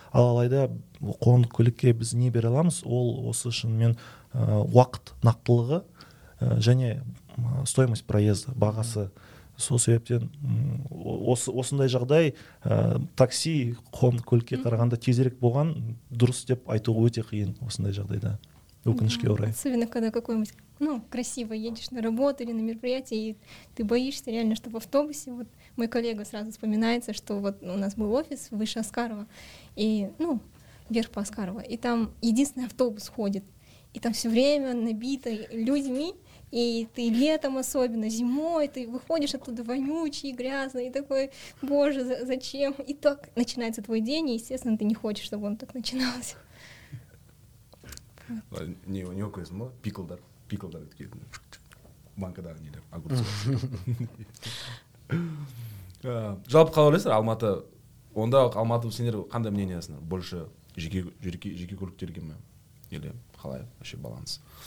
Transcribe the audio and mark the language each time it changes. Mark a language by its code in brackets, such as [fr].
[kk] Ал алайда қоғамдық көлікке біз не бере аламыз, ол осы шынымен уақыт нақтылығы және [ru] стоимость проезда [kk] бағасы. Сол себептен осындай жағдай такси қоғамдық көлікке қарағанда тезірек болған дұрыс деп айту өте қиын осындай жағдайда. Өкінішке орай. [ru] Особенно когда какой-нибудь, ну, красиво едешь на работу или на мероприятие, и ты боишься реально, что в автобусе, вот мой коллега сразу вспоминается, что вот у нас был офис выше Аскарова, и, ну, вверх по Аскарову, и там единственный автобус ходит, и там все время набито людьми, и ты летом особенно, зимой, ты выходишь оттуда вонючий, грязный, и такой, боже, зачем? И так начинается твой день, и, естественно, ты не хочешь, чтобы он так начинался. Не, у него [kk] көзім ғой, пиклдар, пиклдар өткен банкадағы нелер, огурцы. Жалпы қалай ойлайсыңдар, Алматы, онда Алматы сендер қандай мнениесіңдер? Больше жеке көліктерге ме? Или қалай, вообще баланс?